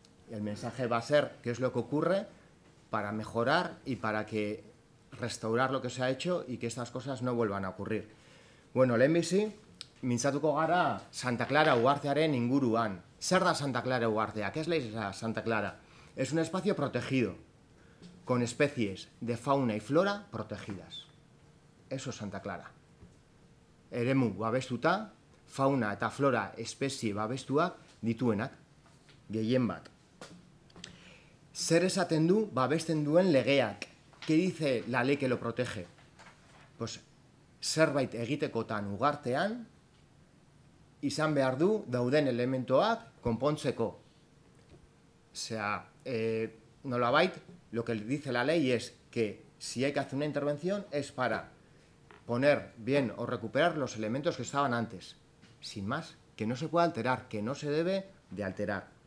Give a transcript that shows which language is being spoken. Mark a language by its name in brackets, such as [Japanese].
[Spanish] El mensaje va a ser qué es lo que ocurre para mejorar y para que restaurar lo que se ha hecho y que estas cosas no vuelvan a ocurrir. [Basque] Bueno, lehenbizi, mintzatuko gara Santa Clara uhartearen inguruan. Zer da Santa Clara uhartea? [Spanish] ¿Qué es la isla Santa Clara? Es un espacio protegido, con especies de fauna y flora protegidas. Eso es Santa Clara. [Basque] Eremu babestuta, fauna eta flora espezie babestuak dituenak, gehien bat. Zer esaten du babesten duen legeak? [Spanish] Ke dice la ley que lo protege? [Basque] Pues zerbait egitekotan ugartean izan behar du dauden elementoak konpontzeko. [Spanish] Osea, nolabait, lo que dice la ley es que si hay que hacer una intervención es para poner bien o recuperar los elementos que estaban antes. Sin más, que no se puede alterar, que no se debe de alterar.